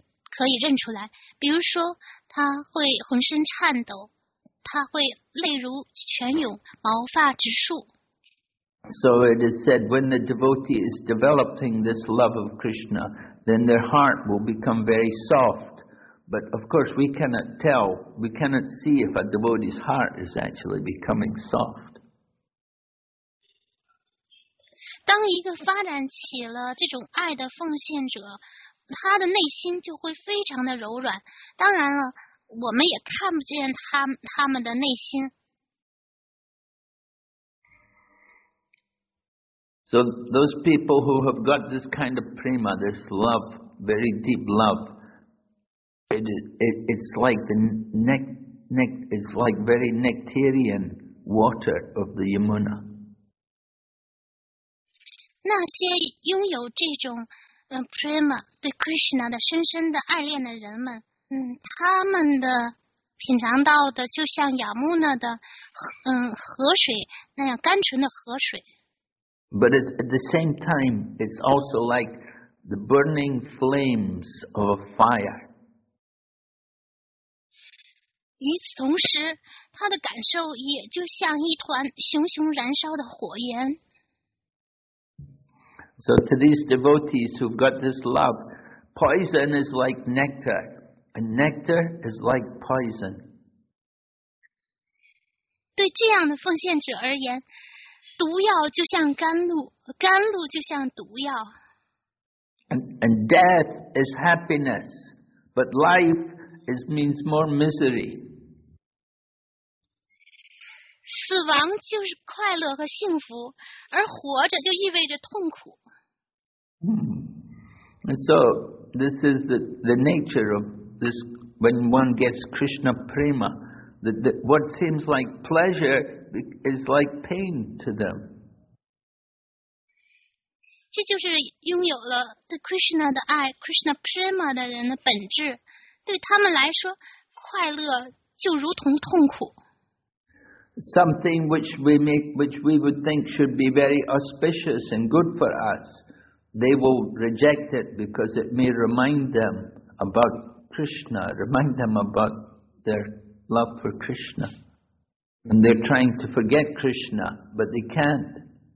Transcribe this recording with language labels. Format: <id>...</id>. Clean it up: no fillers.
<zh>可以认出来，比如说他会浑身颤抖，他会泪如泉涌，毛发直竖。</zh> <en>So it is said, when the devotee is developing this love of Krishna, then their heart will become very soft. But of course, we cannot tell, we cannot see if a devotee's heart is actually becoming soft.</en> <zh>当一个发展起了这种爱的奉献者。他的内心就会非常的柔软。当然了，我们也看不见他们的内心。</zh> <en>So those people who have got this kind of prema, this love, very deep love, it's like the neck, it's like very nectarian water of the Yamuna.</en> <zh>那些拥有这种prema 对 Krishna 的深深的爱恋的人们，他们的品尝到的就像雅穆那的河水那样甘纯的河水。</zh> <en>But at the same time, it's also like the burning flames of a fire.</en> <zh>与此同时，他的感受也就像一团熊熊燃烧的火焰。</zh> <en>So to these devotees who've got this love, poison is like nectar, and nectar is like poison.</en> <zh>对这样的奉献者而言，毒药就像甘露，甘露就像毒药。</zh> <en>And death is happiness, but life is means more misery.</en> <zh>死亡就是快乐和幸福，而活着就意味着痛苦。</zh> <en>And so this is the nature of this. When one gets Krishna prema, what seems like pleasure is like pain to them.</en> <zh>这就是拥有了对 Krishna 的爱 ，Krishna prema 的人的本质。对他们来说，快乐就如同痛苦。</zh> <en>Something which we would think should be very auspicious and good for us. They will reject it because it may remind them about Krishna, remind them about their love for Krishna. And they're trying to forget Krishna, but they can't.</en>